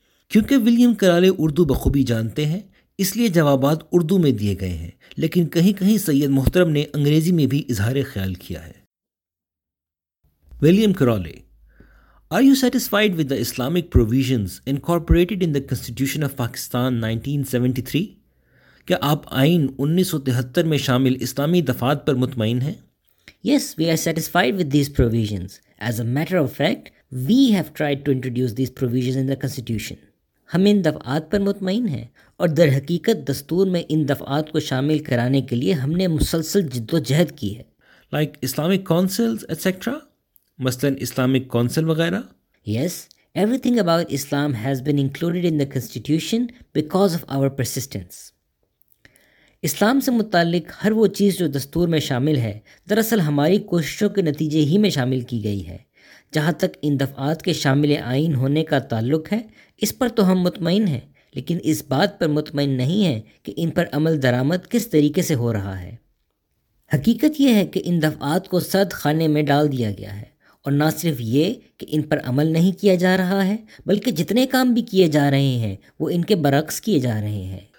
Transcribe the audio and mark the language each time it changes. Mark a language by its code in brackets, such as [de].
[ur] کیونکہ ولیم کرولے اردو بخوبی جانتے ہیں، اس لیے جوابات اردو میں دیے گئے ہیں، لیکن کہیں کہیں سید محترم نے انگریزی میں بھی اظہار خیال کیا ہے۔ William کرولے، [en] Are you satisfied with the Islamic provisions incorporated in the constitution of Pakistan 1973؟ [ur] کیا آپ آئین 1973 میں شامل اسلامی دفعات پر مطمئن ہیں؟ [en] Yes, we are satisfied with these provisions. As a matter of fact, we have tried to introduce these provisions in the constitution. [ur] ہم ان دفعات پر مطمئن ہیں، اور در حقیقت دستور میں ان دفعات کو شامل کرانے کے لیے ہم نے مسلسل جدوجہد کی ہے۔ [en] Like Islamic councils etc. [ur] مثلاً Islamic council وغیرہ؟ [en] Yes, everything about Islam has been included in the constitution because of our persistence. [ur] اسلام سے متعلق ہر وہ چیز جو دستور میں شامل ہے، دراصل ہماری کوششوں کے نتیجے ہی میں شامل کی گئی ہے۔ جہاں تک ان دفعات کے شامل آئین ہونے کا تعلق ہے، اس پر تو ہم مطمئن ہیں، لیکن اس بات پر مطمئن نہیں ہیں کہ ان پر عمل درآمد کس طریقے سے ہو رہا ہے۔ حقیقت یہ ہے کہ ان دفعات کو سرد خانے میں ڈال دیا گیا ہے، اور نہ صرف یہ کہ ان پر عمل نہیں کیا جا رہا ہے، بلکہ جتنے کام بھی کیے جا رہے ہیں وہ ان کے برعکس کیے جا رہے ہیں۔